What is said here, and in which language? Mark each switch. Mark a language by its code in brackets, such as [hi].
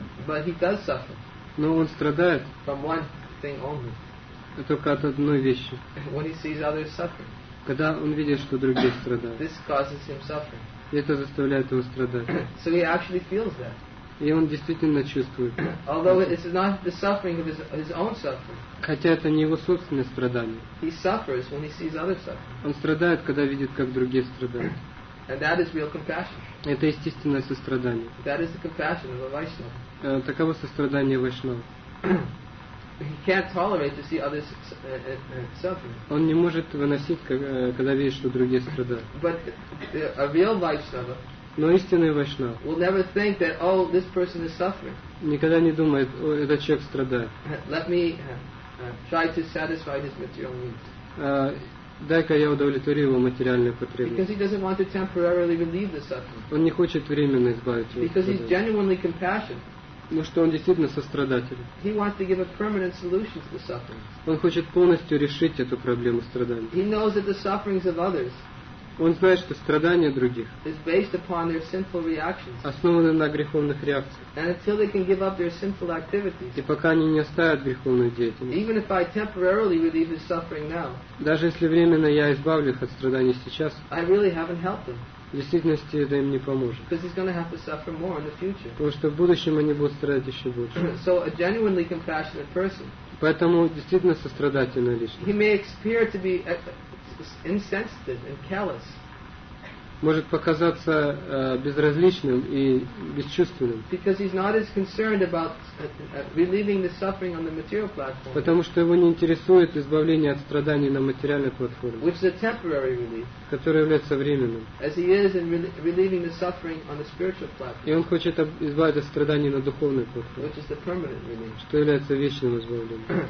[en] But he does suffer. [ru] Но он страдает. [en] From one thing only. [ru] Только от одной вещи. [en] When he sees others suffering. [ru] Когда он видит, что другие страдают. [en] This causes him suffering. [ru] И это заставляет его страдать. [en] So he actually feels that. [ru] И он действительно чувствует. [en] Although it is not the suffering of his own suffering. [ru] Хотя это не его собственное страдание. [en] He suffers when he sees others suffering. [ru] Он страдает, когда видит, как другие страдают. [en] And that is real compassion. [ru] Это естественное сострадание. [en] That is the compassion of a Vaishnava. [ru] Таково сострадание Вайшнава. [en] He can't tolerate to see others suffering. [ru] Он не может выносить, когда видит, что другие страдают. [en] But a real Vaishnava. [ru] Но истинный Вайшнав. [en] Will never think that, oh, this person is suffering. [ru] Никогда не думает, о, этот человек страдает. [en] Let me try to satisfy his material needs. [ru] Дай-ка я удовлетворю его материальные потребности. [en] Because he doesn't want to temporarily relieve the suffering. [ru] Он не хочет временно избавить его. [en] Because he's genuinely compassionate. [ru] Потому что он действительно сострадатель. [en] He wants to give a permanent solution to the suffering. [ru] Он хочет полностью решить эту проблему страданий. [en] He knows that the sufferings of others. [ru] Он знает, что страдания других. [en] Is based upon their sinful reactions. [ru] Основаны на греховных реакциях. [en] And until they can give up their sinful activities. [ru] И пока они не оставят греховную деятельность. [en] Even if I temporarily relieve his suffering now. [ru] Даже если временно я избавлю их от страданий сейчас. [en] I really haven't helped them. [ru] В действительности это им не поможет. [en] Because he's going to have to suffer more in the future. [ru] Потому что в будущем они будут страдать еще больше. [en] So a genuinely compassionate person. [ru] Поэтому действительно сострадательная личность. [en] He may appear to be insensitive and callous. [ru] Может показаться безразличным и бесчувственным. [en] Because he's not as concerned about relieving the suffering on the material platform. [ru] Потому что его не интересует избавление от страданий на материальной платформе. [en] Which is a temporary relief. [ru] Которое является временным. [en] As he is in relieving the suffering on the spiritual platform. [ru] И он хочет избавиться от страданий на духовной платформе. [en] Which is the permanent relief. [ru] Что является вечным избавлением.